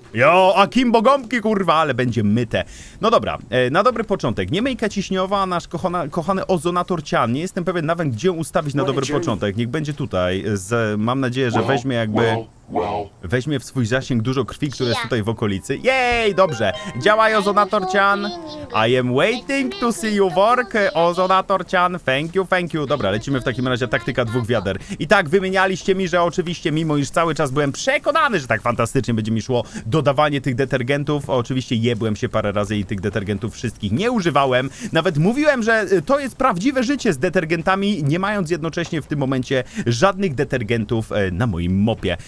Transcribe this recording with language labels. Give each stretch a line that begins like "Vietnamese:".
Polish: Jo, a Kimbo gąbki, kurwa, ale będzie myte. No dobra, na dobry początek. Nie myjka ciśniowa, nasz kochany ozonator cian. Nie jestem pewien nawet, gdzie ją ustawić na dobry początek. Niech będzie tutaj. Mam nadzieję, że weźmie jakby... Weźmie w swój zasięg dużo krwi, które jest tutaj w okolicy. Jej, dobrze. Działaj, ozonator cian.
English: I am waiting to see you work, ozonator cian. Thank you, thank you.
Polish: Dobra, lecimy w takim razie taktyka dwóch wiader. I tak, wymienialiście mi, że oczywiście, mimo iż cały czas byłem przekonany, że tak fantastycznie będzie mi szło dodawanie tych detergentów. Oczywiście jebłem się parę razy i tych detergentów wszystkich nie używałem. Nawet mówiłem, że to jest prawdziwe życie z detergentami, nie mając jednocześnie w tym momencie żadnych detergentów na moim mopie.